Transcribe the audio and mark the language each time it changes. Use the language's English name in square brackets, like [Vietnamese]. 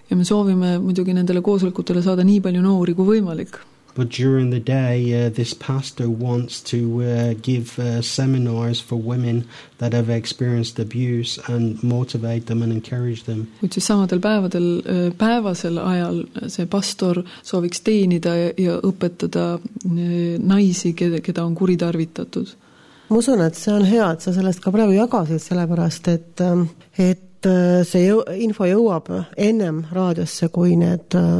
[Estonian] Ja me soovime muidugi nendele koosolekutele saada nii palju noori kui võimalik. [English] But during the day, this pastor wants to give seminars for women that have experienced abuse and motivate them and encourage them. [Estonian] Kuid siis samadel päevadel, päevasel ajal see pastor sooviks teenida ja õpetada naisi, keda on kuritarvitatud. Ma usun, et see on hea, et sa sellest ka praegu jagasid sellepärast, et see info jõuab ennem raadiosse, kui need